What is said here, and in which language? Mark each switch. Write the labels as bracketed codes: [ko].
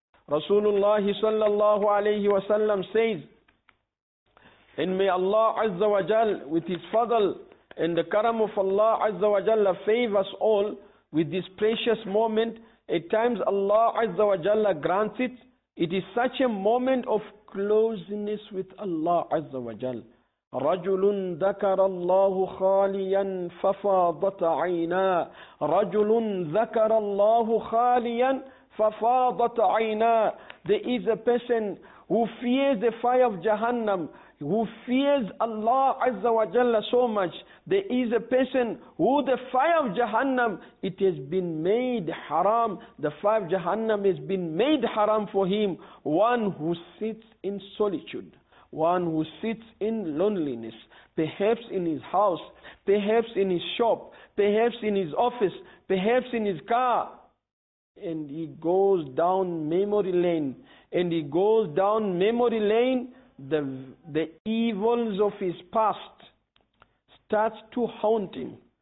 [en] Rasulullah sallallahu alayhi wa sallam says, and may Allah Azza wa Jal with his fadl and the karam of Allah Azza wa Jalla favor us all with this precious moment. At times Allah Azza wa Jalla grants it. It is such a moment of closeness with Allah Azza wa Jal. [ar] رجل ذكر الله خاليا ففاضت عينا, رجل ذكر الله خاليا ففاضت عينا. [en] There is a person who fears the fire of Jahannam, who fears Allah Azza wa Jalla so much. There is a person who the fire of Jahannam, it has been made haram. The fire of Jahannam has been made haram for him. One who sits in solitude, one who sits in loneliness, perhaps in his house, perhaps in his shop, perhaps in his office, perhaps in his car, and he goes down memory lane, and he goes down memory lane, the evils of his past starts to haunt him.